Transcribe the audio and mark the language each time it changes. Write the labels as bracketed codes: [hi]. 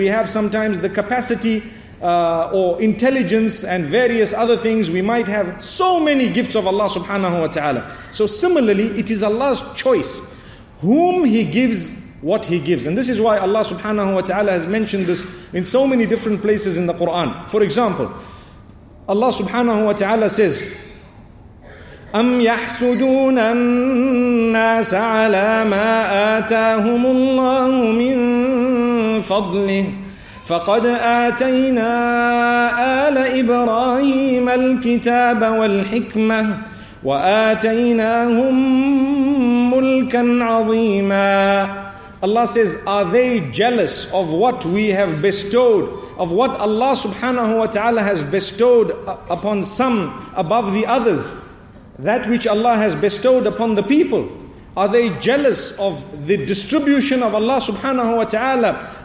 [en] We have sometimes the capacity or intelligence and various other things. We might have so many gifts of Allah subhanahu wa ta'ala. So similarly, it is Allah's choice whom He gives what He gives. And this is why Allah subhanahu wa ta'ala has mentioned this in so many different places in the Quran. For example, Allah subhanahu wa ta'ala says, [ar] أَمْ يَحْسُدُونَ النَّاسَ عَلَى مَا آتَاهُمُ اللَّهُ مِنْ فَضْلِهِ فَقَدْ آتَيْنَا آلَ إِبْرَاهِيمَ الْكِتَابَ وَالْحِكْمَةَ وَآتَيْنَاهُمْ مُلْكًا عَظِيمًا. [en] Allah says, are they jealous of what we have bestowed, of what Allah subhanahu wa ta'ala has bestowed upon some above the others, that which Allah has bestowed upon the people? Are they jealous of the distribution of Allah subhanahu wa ta'ala?